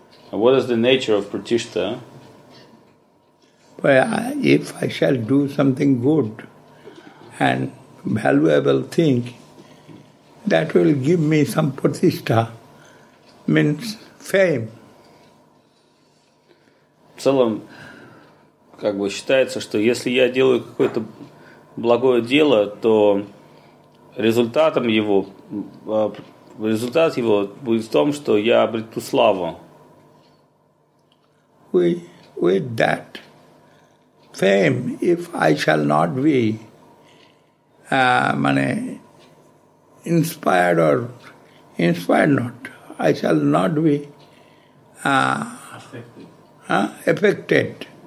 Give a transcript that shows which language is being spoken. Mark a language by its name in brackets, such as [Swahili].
[English] And what is the nature of pratishtha? Well, if I shall do something good and valuable thing, that will give me some pratishtha, means fame. [Russian] В целом, как бы считается, что если я делаю какое-то благое дело, то результат его будет в том, что я обрету славу. [English] With that fame, if I shall not be affected.